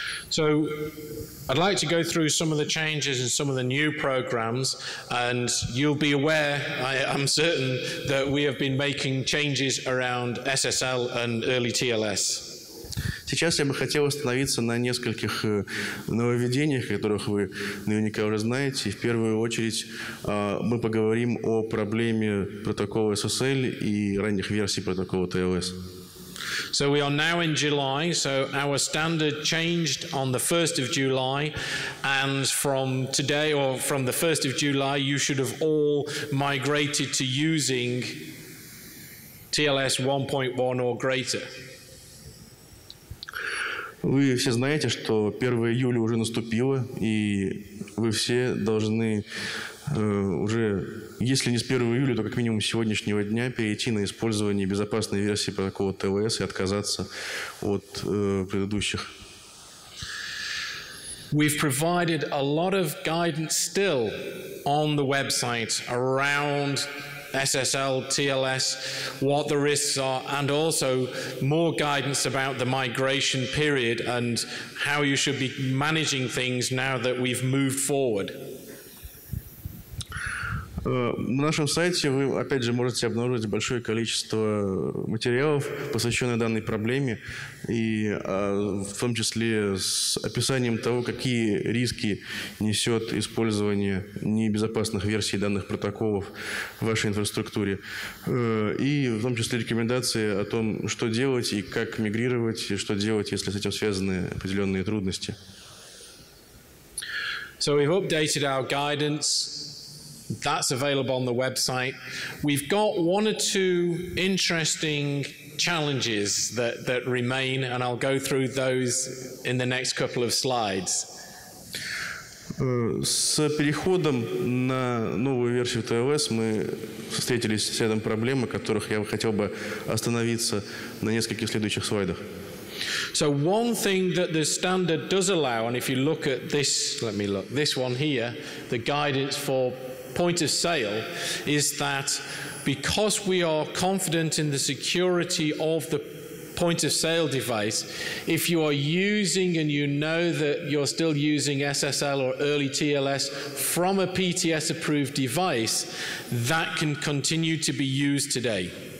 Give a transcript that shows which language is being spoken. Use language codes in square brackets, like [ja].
[en] So, I'd like to go through some of the changes and some of the new programs, and you'll be aware, I'm certain, that we have been making changes around SSL and early TLS. [ru] Сейчас я бы хотел остановиться на нескольких нововведениях, которых вы наверняка уже знаете. В первую очередь мы поговорим о проблеме протокола SSL и ранних версий протокола TLS. [en] So we are now in July, so our standard changed on the 1st of July, and from today, or from the 1st of July, you should have all migrated to using TLS 1.1 or greater. [ru] Вы все знаете, что 1 июля уже наступило, и вы все должны уже, если не с 1 июля, то как минимум с сегодняшнего дня перейти на использование безопасной версии протокола TLS и отказаться от предыдущих. [en] We've provided a lot of guidance still on the website around SSL, TLS, what the risks are, and also more guidance about the migration period and how you should be managing things now that we've moved forward. [ru] На нашем сайте вы, опять же, можете обнаружить большое количество материалов, посвященных данной проблеме, и в том числе с описанием того, какие риски несет использование небезопасных версий данных протоколов в вашей инфраструктуре. И в том числе рекомендации о том, что делать и как мигрировать, и что делать, если с этим связаны определенные трудности. [en] So we've updated our guidance. That's available on the website. We've got one or two interesting challenges that remain, and I'll go through those in the next couple of slides. [ru] С переходом на новую версию ТЛС мы встретились с рядом проблем, о которых я хотел бы остановиться на нескольких следующих слайдах. [en] So one thing that the standard does allow, and if you look at this, let me look, this one here, the guidance for point of sale, is that because we are confident in the security of the point of sale device, if you are using and you know that you're still using SSL or early TLS from a PTS approved device, that can continue to be used today.